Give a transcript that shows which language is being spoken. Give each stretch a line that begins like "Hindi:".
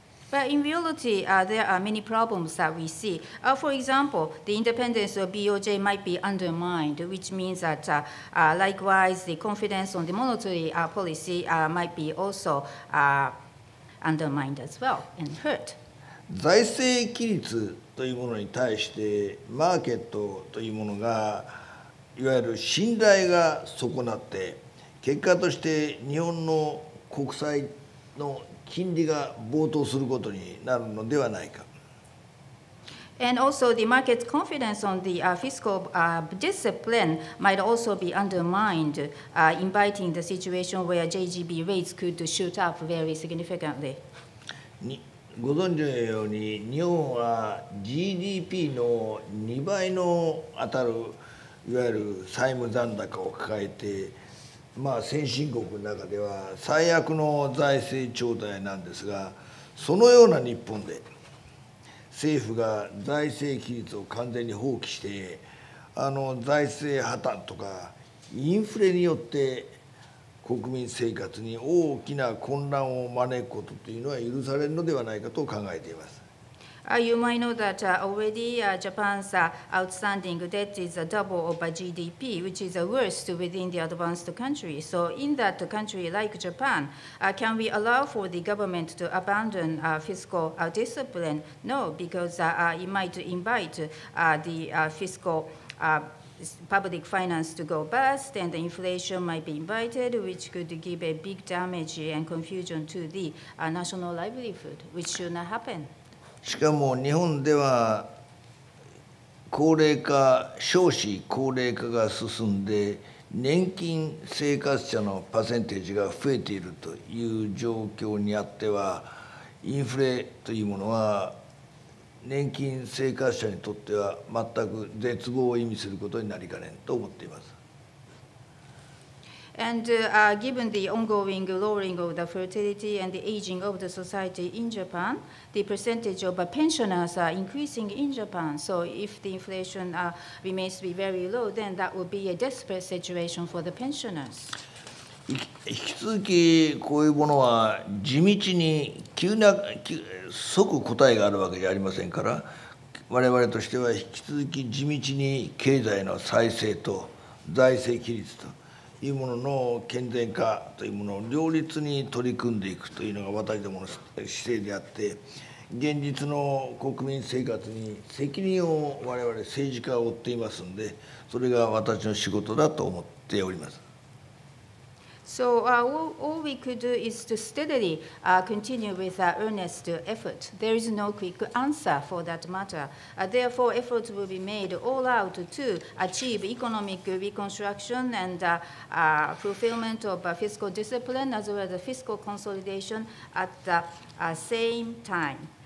English: But in reality, there are many problems that we see. For example, the independence of BOJ might be undermined, which means that likewise, the confidence on the monetary policy might be also undermined as well and hurt.
Japanese: 財政規律というものに対してマーケットというものがいわゆる信頼が損なって結果として日本の国債の金利が暴騰することになるのではないか。
English: And also the market's confidence on the fiscal discipline might also be undermined, inviting the situation where JGB rates could shoot up very significantly.
Japanese: ご存知のように日本は GDP の2倍の当たるいわゆる債務残高を抱えて、まあ、先進国の中では最悪の財政状態なんですが、そのような日本で政府が財政規律を完全に放棄して、財政破綻とかインフレによって国民生活に大きな混乱を招くことというのは許されるのではないかと考えています。
English: You might know that already Japan's outstanding debt is a double of GDP, which is the worst within the advanced country. So in that country like Japan, can we allow for the government to abandon fiscal discipline? No, because it might invite the fiscal public finance to go bust, and the inflation might be invited, which could give a big damage and confusion to the national livelihood, which should not happen.
Japanese: しかも日本では高齢化、少子高齢化が進んで年金生活者のパーセンテージが増えているという状況にあってはインフレというものは年金生活者にとっては全く絶望を意味することになりかねんと思っています。
English: And given the ongoing lowering of the fertility and the aging of the society in Japan, the percentage of pensioners are increasing in Japan. So if the inflation remains to be very low, then that will be a desperate situation for the pensioners.
Japanese: 引き続きこういうものは地道に急な即答えがあるわけじゃありませんから、我々としては引き続き地道に経済の再生と財政規律と。いうものの健全化というものを両立に取り組んでいくというのが私どもの姿勢であって、現実の国民生活に責任を我々政治家は負っていますので、それが私の仕事だと思っております。
English: So all we could do is to steadily continue with our earnest effort. There is no quick answer for that matter. Therefore, efforts will be made all out to achieve economic reconstruction and fulfillment of fiscal discipline as well as fiscal consolidation at the same time.